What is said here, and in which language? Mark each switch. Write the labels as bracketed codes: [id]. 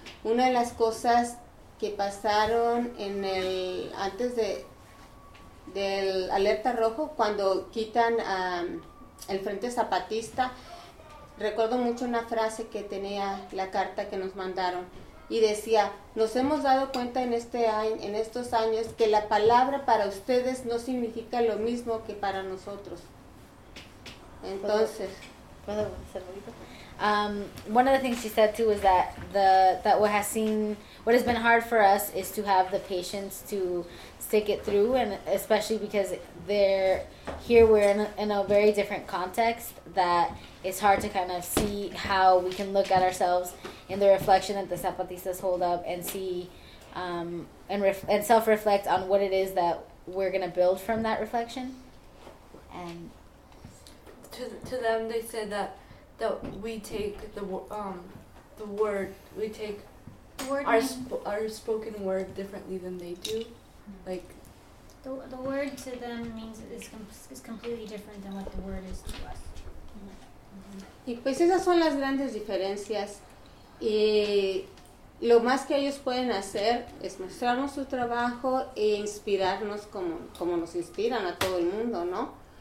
[es] Una de las cosas que pasaron en el antes de del alerta rojo, cuando quitan el Frente Zapatista, recuerdo mucho una frase que tenía la carta que nos mandaron y decía, nos hemos dado cuenta en este año, en estos años que la palabra para ustedes no significa lo mismo que para nosotros. Entonces, [en] One of the things she said too is that the that what has seen what has been hard for us is to have the patience to stick it through, and especially because they're here, we're in a very different context that it's hard to kind of see how we can look at ourselves in the reflection that the Zapatistas hold up and see and self-reflect on what it is that we're going to build from that reflection. And to them, they said that that we take the word, we take word our spoken word differently than they do. Like the word to them means is completely different than what the word is to us. [es] Y pues esas son las grandes diferencias. Y lo más que ellos pueden hacer es mostrarnos su trabajo e inspirarnos como como nos inspiran a todo el mundo, ¿no?